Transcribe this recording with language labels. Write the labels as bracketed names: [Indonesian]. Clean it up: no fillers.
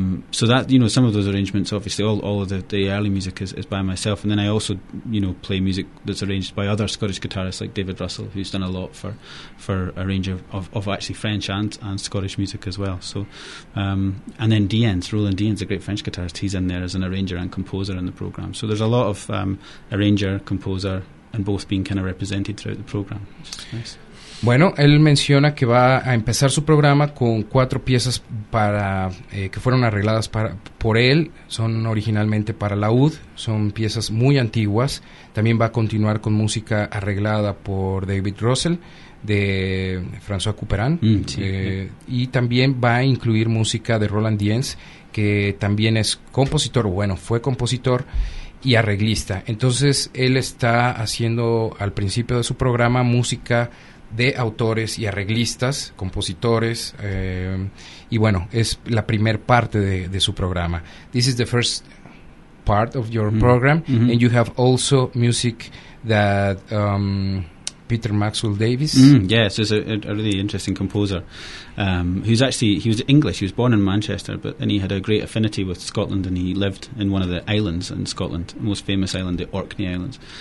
[English] So that, you know, some of those arrangements, obviously all of the early music is by myself, and then I also, you know, play music that's arranged by other Scottish guitarists like David Russell, who's done a lot for a range of actually French and Scottish music as well. So and then Roland Dienz, a great French guitarist, he's in there as an arranger and composer in the program. So there's a lot of arranger, composer, and both being kind of represented throughout the program, which is nice. [Spanish] Bueno, él menciona que va a empezar su programa con cuatro piezas para que fueron arregladas por él. Son originalmente para laúd, son piezas muy antiguas. También va a continuar con música arreglada por David Russell, de François Couperin. Y también va a incluir música de Roland Dienz, que también es compositor, bueno, fue compositor y arreglista. Entonces él está haciendo al principio de su programa música de autores y arreglistas, compositores, y bueno, es la primer parte de su programa. [English] This is the first part of your program, and you have also music that Peter Maxwell Davis. Yes, he's a really interesting composer. He was English. He was born in Manchester, but then he had a great affinity with Scotland, and he lived in one of the islands in Scotland, the most famous island, the Orkney Islands.